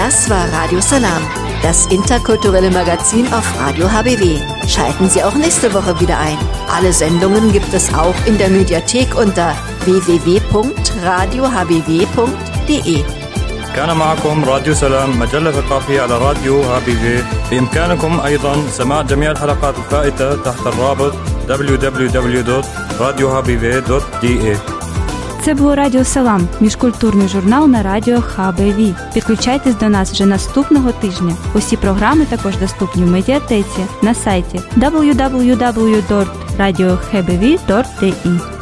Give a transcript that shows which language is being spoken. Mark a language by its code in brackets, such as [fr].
[de] Radio Salam, das interkulturelle Magazin auf Radio HBW. Schalten Sie auch nächste Woche wieder ein. Alle Sendungen gibt es auch in der Mediathek unter www.radiohbw.de. [ar] كان معكم راديو سلام مجلة ثقافية على راديو HBW. بإمكانكم أيضا سماع جميع الحلقات الفائتة تحت الرابط www.radiohbw.de. [uk] Це був Радіо Салам, міжкультурний журнал на радіо HBW. Підключайтесь до нас вже наступного тижня. Усі програми також доступні в медіатеці на сайті www.radiohbw.de.